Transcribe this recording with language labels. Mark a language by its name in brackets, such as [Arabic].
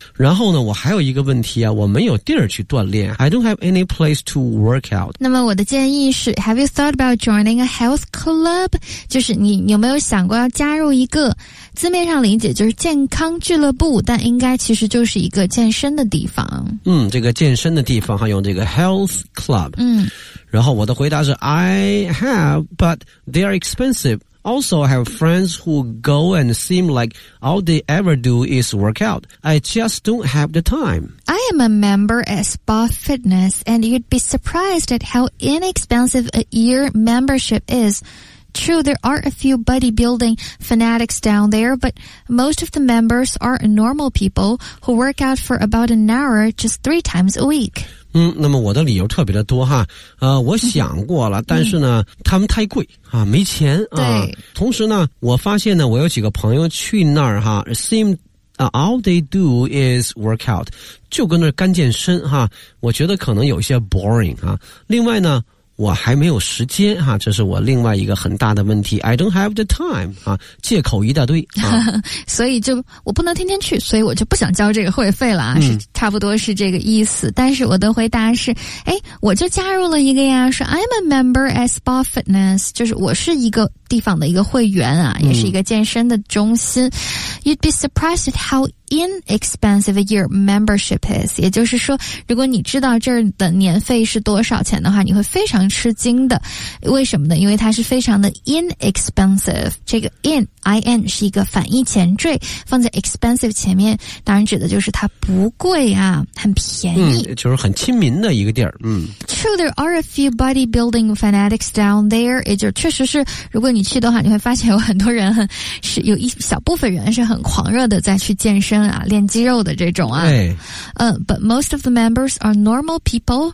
[Chinese] 然后呢我还有一个问题啊，我没有地儿去锻炼。 [English] I don't have any place to work out. [Chinese] 那么我的建议是 [English] ,have you thought about joining a health club? [Chinese] 就是你有没有想过要加入一个，字面上理解就是健康俱乐部，但应该其实就是一个健身的地方。这个健身的地方还用这个 health club。然后我的回答是 , [English] I have, but they are expensive. Also, I have friends who go and seem like all they ever do is work out. I just don't have the time. I am a member at Spa Fitness, and you'd be surprised at how inexpensive a year membership is. True, there are a few bodybuilding fanatics down there, but most of the members are normal people who work out for about an hour just three times a week. [Chinese] 那么我的理由特别的多哈，我想过了，但是呢，他们太贵啊，没钱啊。同时呢，我发现呢，我有几个朋友去那儿哈 ， [English] seem all they do is work out， [Chinese] 就跟那儿干健身哈。我觉得可能有一些 boring 哈。另外呢，我还没有时间哈，这是我另外一个很大的问题 ， [English] I don't have the time [Chinese] 啊，借口一大堆啊。所以就我不能天天去，所以我就不想交这个会费了啊，是差不多是这个意思。但是我的回答是，哎，我就加入了一个呀，说 [English] I'm a member at Spa Fitness， [Chinese] 就是我是一个地方的一个会员啊，也是一个健身的中心。 [English] You'd be surprised at how inexpensive a year membership is. [Chinese] 也就是说，如果你知道这儿的年费是多少钱的话，你会非常吃惊的。为什么呢？因为它是非常的 inexpensive。这个 in I-N 是一个反义前缀，放在 expensive 前面，当然指的就是它不贵啊，很便宜，就是很亲民的一个地儿。 [English] True, there are a few bodybuilding fanatics down there. [Chinese] 也就确实是，如果你去的话，你会发现有很多人很是有一小部分人是很狂热的在去健身。练肌肉的这种啊， [English] But most of the members are normal people.